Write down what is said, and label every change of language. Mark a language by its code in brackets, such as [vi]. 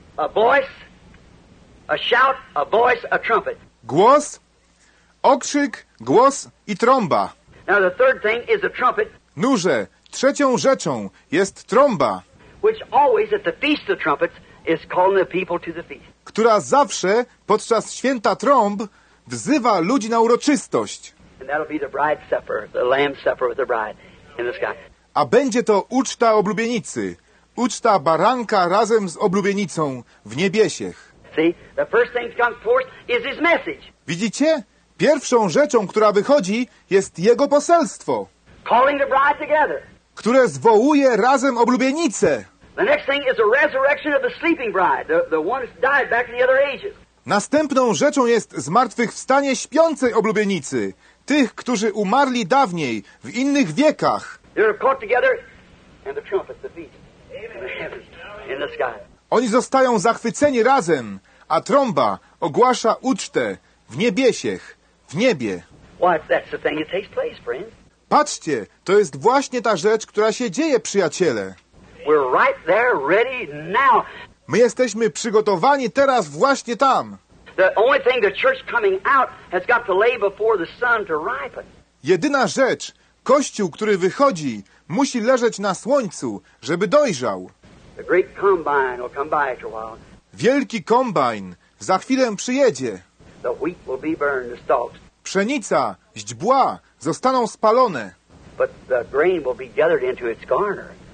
[en] A voice, a shout, a voice, a trumpet. [pl] Głos, okrzyk, głos i trąba. [en] Now the third thing is a trumpet. [pl] Noże, trzecią rzeczą jest trąba. [en] Which always at the feast of trumpets is calling the people to the feast. [pl] Która zawsze podczas święta trąb wzywa ludzi na uroczystość. [en] And that'll be the bride's supper, the lamb's supper with the bride in the sky. [pl] A będzie to uczta oblubienicy, uczta baranka razem z oblubienicą w niebiesiech. [en] See, the first thing that comes forth is his message. [pl] Widzicie? Pierwszą rzeczą, która wychodzi, jest jego poselstwo, [en] calling the bride together. [pl] Które zwołuje razem oblubienicę. [en] The next thing is the resurrection of the sleeping bride, the one that died back in the other ages. [pl] Następną rzeczą jest zmartwychwstanie śpiącej oblubienicy, tych, którzy umarli dawniej, w innych wiekach. [en] They're caught together and the trumpet, the beast, in the heavens, in the sky. [pl] Oni zostają zachwyceni razem, a trąba ogłasza ucztę w niebiesiech, w niebie. [en] Why, that's the thing that takes place, friend. [pl] Patrzcie, to jest właśnie ta rzecz, która się dzieje, przyjaciele. [en] We're right there, ready now. [pl] My jesteśmy przygotowani teraz właśnie tam. [en] The only thing the church coming out has got to lay before the sun to ripen. [pl] Jedyna rzecz, Kościół, który wychodzi, musi leżeć na słońcu, żeby dojrzał. [en] The great combine will come by after a while. [pl] Wielki kombajn za chwilę przyjedzie. [en] The wheat will be burned, the stalks. [pl] Pszenica, źdźbła zostaną spalone. [en] But the grain will be gathered into its garner.